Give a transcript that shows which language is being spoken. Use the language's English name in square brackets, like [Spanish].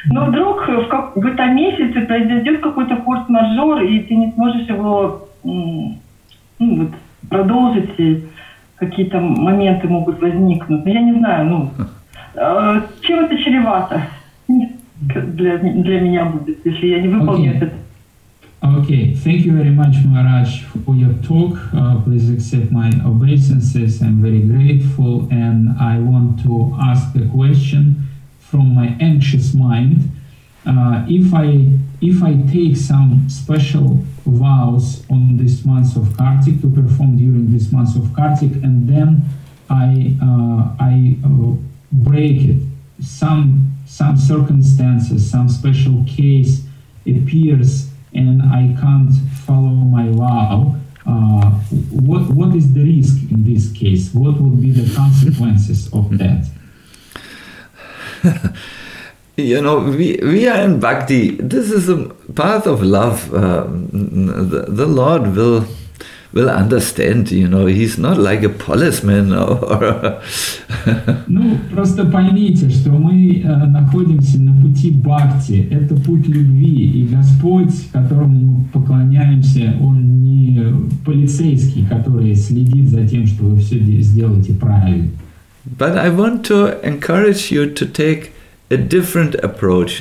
[Russian] Но вдруг в этом месяце произойдет какой-то форс-мажор, и ты не сможешь его вот, продолжить, и какие-то моменты могут возникнуть. Но я не знаю, ну, чем это чревато для меня будет, если я не выполню этот. [English] Okay, thank you very much, Maharaj, for your talk. Please accept my obeisances. I'm very grateful, and I want to ask the question from my anxious mind. If I take some special vows on this month of Kartik to perform during this month of Kartik, and then I break it, some circumstances, some special case appears, and I can't follow my vow, What is the risk in this case? What would be the consequences of that? You know, we are in bhakti. This is a path of love. The Lord will understand. You know, he's not like a policeman or. [Russian] Ну просто поймите, что мы находимся на пути бхакти. Это путь любви, и Господь, которому мы поклоняемся, он не полицейский, который следит за тем, что вы все сделаете правильно. [English] But I want to encourage you to take a different approach.